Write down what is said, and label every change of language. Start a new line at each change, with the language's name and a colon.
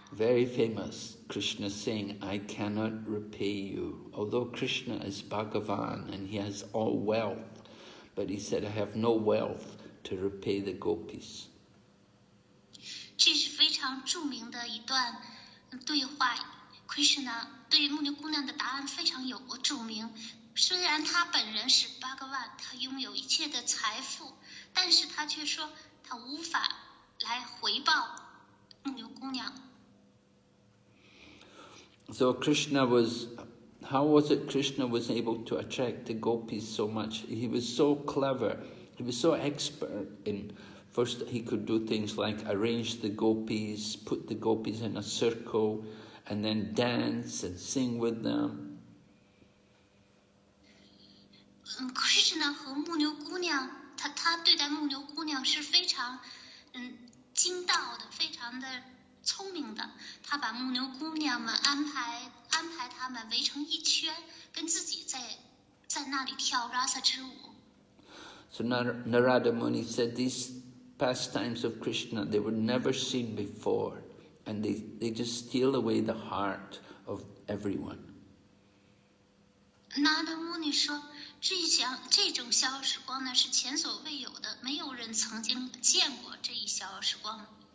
English: Very famous, Krishna saying, I cannot repay you. Although Krishna is Bhagavan and he has all wealth, but he said, I have no wealth to repay the gopis.
Chinese: 这是非常著名的一段对话。 Krishna 对牧牛姑娘的答案非常有著名。虽然他本人是 Bhagavan, 他拥有一切的财富，但是他却说他无法来回报牧牛姑娘。
English: So Krishna was, how was it Krishna was able to attract the gopis so much? He was so clever, he was so expert in, first he could do things like arrange the gopis, put the gopis in a circle, and then dance and sing with them.
Chinese: Krishna 和牧牛姑娘，他对待牧牛姑娘是非常精到的，非常的聪明的，他把牧牛姑娘们安排他们围成一圈，跟自己在那里跳 Rasa 之舞。
English: So Narada Muni said these pastimes of Krishna they were never seen before, and they just steal away the heart of everyone.
Chinese: Narada Muni 说这种逍遥时光呢是前所未有的，没有人曾经见过这一逍遥时光。